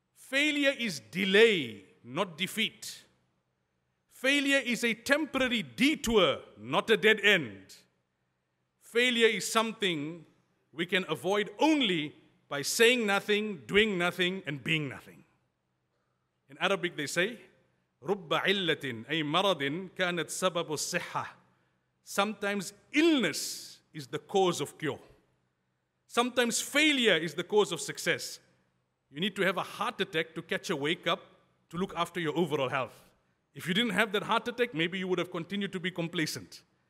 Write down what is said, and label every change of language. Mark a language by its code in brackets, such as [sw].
[en] Failure is delay, not defeat. Failure is a temporary detour, not a dead end. Failure is something we can avoid only by saying nothing, doing nothing, and being nothing. In Arabic, they say, [ar] رُبَّ عِلَّةٍ أي مَرَضٍ كَانَتْ سَبَبُ الصِّحَّةِ. [en] Sometimes illness is the cause of cure. Sometimes failure is the cause of success. You need to have a heart attack to catch a wake up to look after your overall health. If you didn't have that heart attack, maybe you would have continued to be complacent.